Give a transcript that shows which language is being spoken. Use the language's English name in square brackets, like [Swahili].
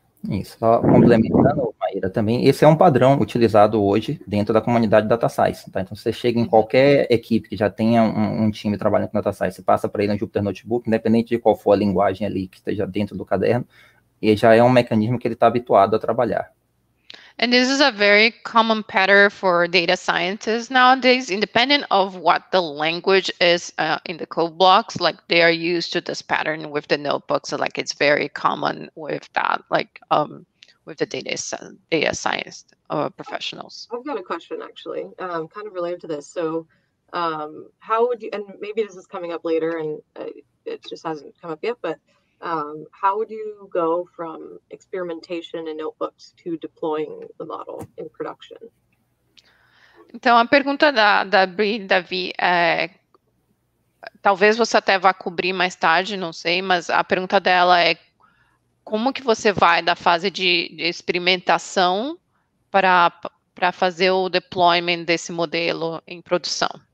[Portuguese] Isso, só complementando, Maíra, também, esse é um padrão utilizado hoje dentro da comunidade Data Science, tá? Então, você chega em qualquer equipe que já tenha um time trabalhando com Data Science, você passa para ele no Jupyter Notebook, independente de qual for a linguagem ali que esteja dentro do caderno, e já é um mecanismo que ele está habituado a trabalhar. [English] And this is a very common pattern for data scientists nowadays, independent of what the language is in the code blocks, like they are used to this pattern with the notebooks, so like it's very common with that, like with the data science professionals. I've got a question actually, kind of related to this. So how would you, and maybe this is coming up later and it just hasn't come up yet, but how would you go from experimentation in notebooks to deploying the model in production? [Portuguese] Então, a pergunta da Bri, Davi, talvez você até vá cobrir mais tarde, não sei, mas a pergunta dela é como que você vai da fase de experimentação para fazer o deployment desse modelo em produção?